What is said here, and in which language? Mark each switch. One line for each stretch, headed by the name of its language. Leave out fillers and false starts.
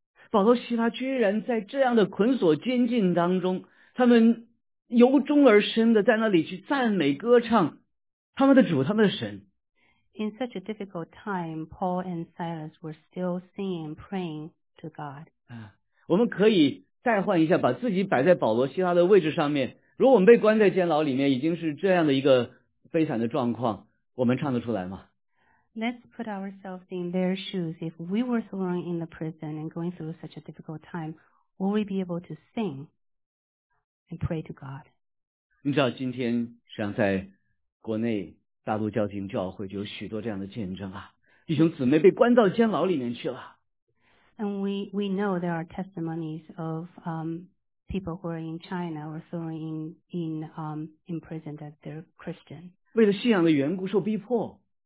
Chinese: 保罗希拉居然在这样的捆锁监禁当中，他们由衷而生的在那里去赞美歌唱他们的主，他们的神。
English: In such a difficult time, Paul and Silas were still singing and praying to God.
Chinese: 我们可以代换一下，把自己摆在保罗希拉的位置上面，如果我们被关在监牢里面已经是这样的一个悲惨的状况，我们唱得出来吗？
English: Let's put ourselves in their shoes. If we were thrown in the prison and going through such a difficult time, will we be able to sing and pray to God?
Chinese: 你知道今天实际上在国内大陆教廷教会就有许多这样的见证啊，弟兄姊妹被关到监牢里面去了。
English: And we know there are testimonies of people who are in China or thrown in prison that they're Christian.
Chinese: 为了信仰的缘故受逼迫。